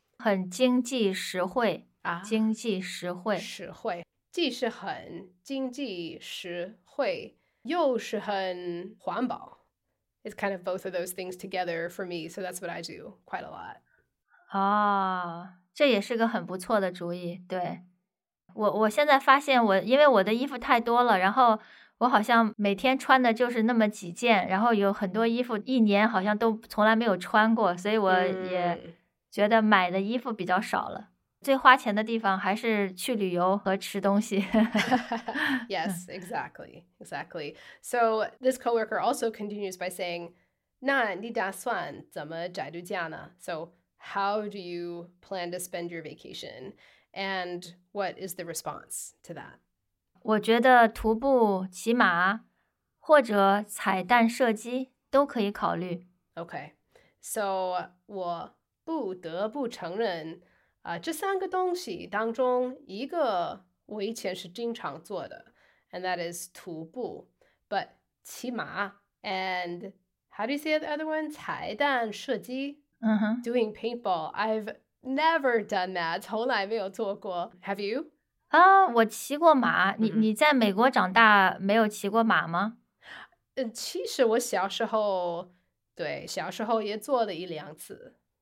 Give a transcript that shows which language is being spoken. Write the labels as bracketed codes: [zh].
[zh] 很经济实惠啊，经济实惠，实惠，既是很经济实惠，又是很环保。 [en] It's kind of both of those things together for me, so that's what I do quite a lot. [zh] 哦，这也是个很不错的主意。对，我现在发现我因为我的衣服太多了，然后我好像每天穿的就是那么几件，然后有很多衣服一年好像都从来没有穿过，所以我也觉得买的衣服比较少了。最花钱的地方还是去旅游和吃东西。 [en] Yes, exactly, exactly. So this coworker also continues by saying, [zh] 那你打算怎么宅度假呢? [en] So how do you plan to spend your vacation? And what is the response to that? [zh] 我觉得徒步、骑马或者彩蛋射击都可以考虑。 [en] Okay, so [zh] 我不得不承认这三个东西当中一个我以前是经常做的 [en] and that is 徒步 but 骑马 and how do you say the other one? [zh] 彩蛋射击、 uh-huh. [en] doing paintball I've never done that [zh] 从来没有做过 [en] Have you? [zh] 我骑过马 你在美国长大没有骑过马吗、其实我小时候对小时候也做了一两次